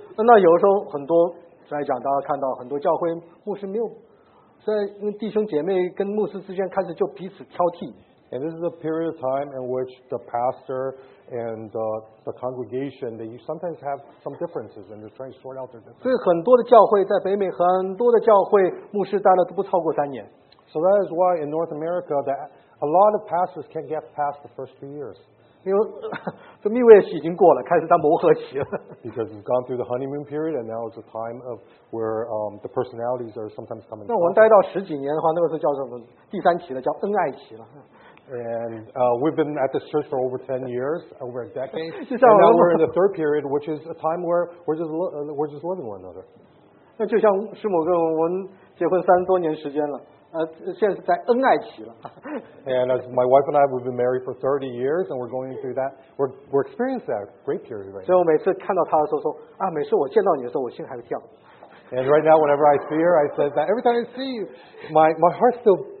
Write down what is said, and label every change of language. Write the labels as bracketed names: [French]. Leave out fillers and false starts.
[Chinese] 那有的时候很多在讲，大家看到很多教会牧师没有，所以因为弟兄姐妹跟牧师之间开始就彼此挑剔。 [English] And this is a period of time in which the pastor and the congregation, they sometimes have some differences and they're trying to sort out their differences. [Chinese] 所以很多的教会在北美，很多的教会牧师待了都不超过三年。 [English] So that is why in North America, that a lot of pastors can't get past the first 3 years. [Chinese] 因为这蜜月期已经过了，开始到磨合期了。 [English] Because you've gone through the honeymoon period and now is the time of where the personalities are sometimes coming. [Chinese] 那我们待到十几年的话，那个时候叫什么？第三期了，叫恩爱期了。 [English] And we've been at this church for over 10 years, over a decade. And now we're in the third period, which is a time where we're just loving one another. [Chinese] 那就像师母跟我们结婚三多年时间了，现在在恩爱期了。 [English] And as my wife and I, we've been married for 30 years, and we're going through that. We're experiencing that great period right now. [Chinese] 所以我每次看到他的时候说啊，每次我见到你的时候，我心还会跳。 [English] And right now, whenever I see her, I say that every time I see you, my heart still